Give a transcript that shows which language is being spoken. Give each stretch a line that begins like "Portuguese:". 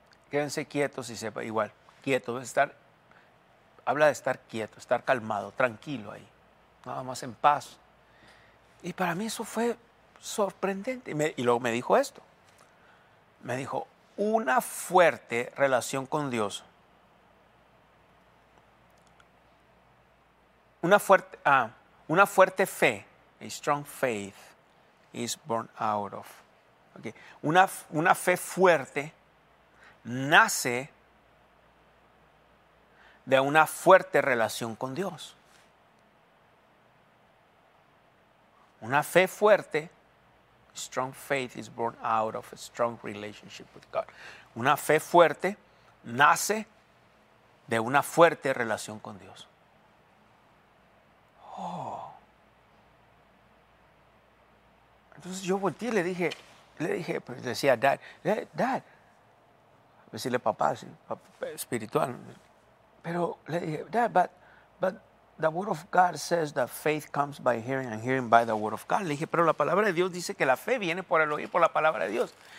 Spanish: Quédense quietos y sepa, igual, quieto. Habla de estar quieto, estar calmado, tranquilo ahí. Nada más en paz. Y para mí eso fue sorprendente. Y luego me dijo esto. Me dijo, una fuerte relación con Dios. Una fuerte fe,
English: a strong faith is born out of. Okay.
Spanish: Una fe fuerte nace de una fuerte relación con Dios. Una fe fuerte,
English: strong faith is born out of a strong relationship with God.
Spanish: Una fe fuerte nace de una fuerte relación con Dios. Oh. Entonces yo volteé y le dije, pues decía, Dad, decirle papá espiritual, pero le dije, Dad,
English: but the word of God
Spanish: says that faith comes by hearing and hearing by the word of God. Le dije, pero la palabra de Dios dice que la fe viene por el oír por la palabra de Dios.